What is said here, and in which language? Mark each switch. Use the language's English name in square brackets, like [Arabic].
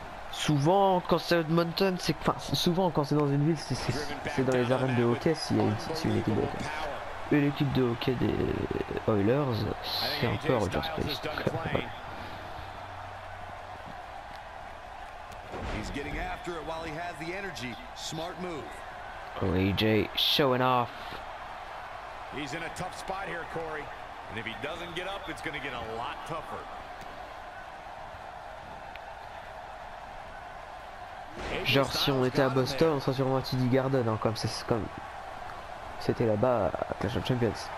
[French] Souvent quand c'est Edmonton, c'est enfin souvent quand c'est dans une ville, c'est dans les arènes de hockey s'il y a une équipe de hockey. Et l'équipe de hockey des Oilers, c'est un peu à Rogers Place. [English] He's getting after it while he has the energy. Smart move. Oh, AJ showing off. He's in a tough spot here, Corey. And if he doesn't get up, it's gonna get a lot tougher. [French] Genre si on était à Boston, on serait sûrement à TD Garden, hein, comme c'est comme c'était là-bas à Clash of Champions.